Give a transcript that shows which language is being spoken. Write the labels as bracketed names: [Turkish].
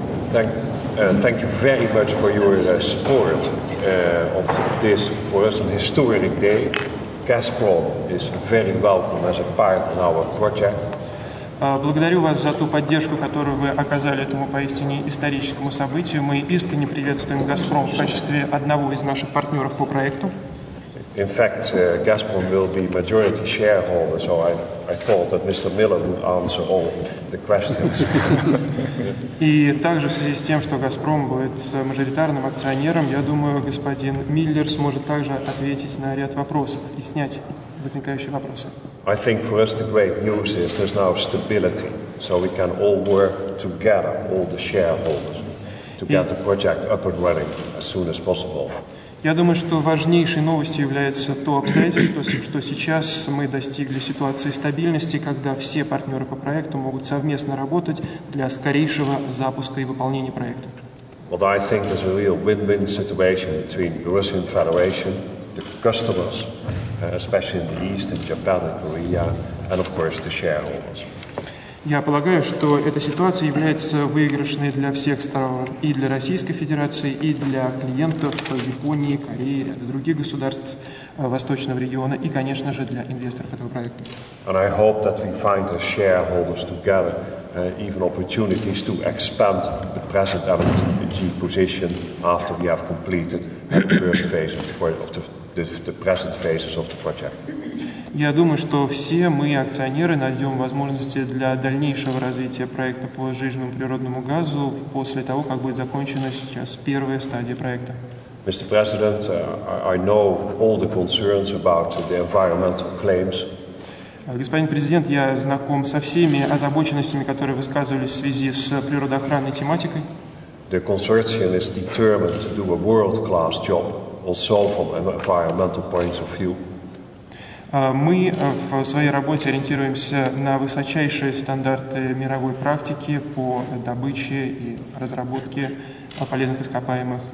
[English] Thank you very much for your support of this, for us, an historic day. Gazprom is very welcome as a part of our project. [Russian] Благодарю вас за ту поддержку, которую вы оказали этому поистине историческому событию. Мы искренне приветствуем Газпром в качестве одного из наших партнеров по проекту. [English] In fact, Gazprom will be majority shareholder, so I thought that Mr. Miller would answer all the questions. [Russian] И также в связи с тем, что Газпром будет мажоритарным акционером, я думаю, господин Миллер сможет также ответить на ряд вопросов и снять возникающие вопросы. [English] I think for us the great news is there's now stability, so we can all work together, all the shareholders, to get the project up and running as soon as possible. [Russian] Я думаю, что важнейшей новостью является то обстоятельство, что сейчас мы достигли ситуации стабильности, когда все партнеры по проекту могут совместно работать для скорейшего запуска и выполнения проекта. [English] Well, I think there's a real win-win situation between the Russian Federation, the customers, especially in the East, in Japan and Korea, and of course the shareholders. [Russian] Я полагаю, что эта ситуация является выигрышной для всех сторон, и для Российской Федерации, и для клиентов Японии, Кореи, ряда других государств Восточного региона, и, конечно же, для инвесторов этого проекта. [English] And I hope that we find the shareholders together even opportunities to expand the present LNG position after we have completed the first phase of the present phases of the project. [Russian] Я думаю, что все мы, акционеры, найдем возможности для дальнейшего развития проекта по сжиженному природному газу после того, как будет закончена сейчас первая стадия проекта. [English] Mr. President, I know all the concerns about the environmental claims. [Russian] Господин президент, я знаком со всеми озабоченностями, которые высказывались в связи с природоохранной тематикой. [English] The consortium is determined to do a world-class job, also from an environmental point of view. [Russian] Мы в своей работе ориентируемся на высочайшие стандарты мировой практики по добыче и разработке полезных ископаемых.